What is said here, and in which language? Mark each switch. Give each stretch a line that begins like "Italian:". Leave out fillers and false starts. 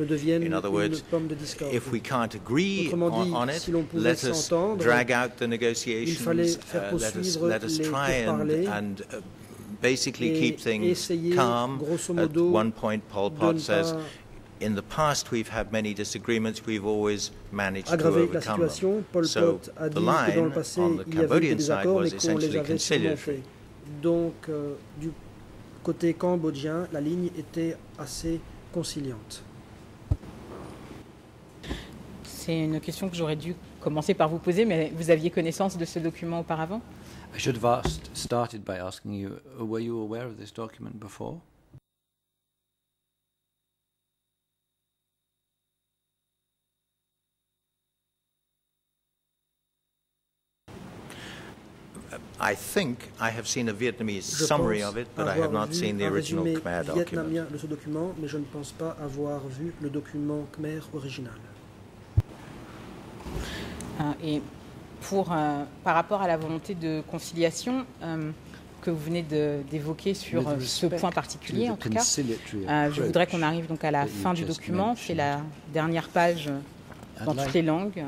English: In other words, if we can't agree on it, let us drag out the negotiations, let us try and basically keep things calm. At one point, Pol Pot says, in the past, we've had many disagreements. We've always managed to overcome them. So the line on the Cambodian side was essentially conciliatory.
French: Donc, du côté cambodgien, la ligne était assez conciliante. C'est une question que j'aurais dû commencer par vous poser, mais vous aviez connaissance de ce document auparavant?
English: I should have started by asking you, were you aware of this document before? I think I have seen a Vietnamese summary of it, but I have not seen the original Khmer document.
French: De ce document, mais je ne pense pas avoir vu le document Khmer original. Et pour par rapport à la volonté de conciliation que vous venez d'évoquer sur ce point particulier, en tout cas, je voudrais qu'on arrive donc à la fin du document, c'est la dernière page dans toutes les langues.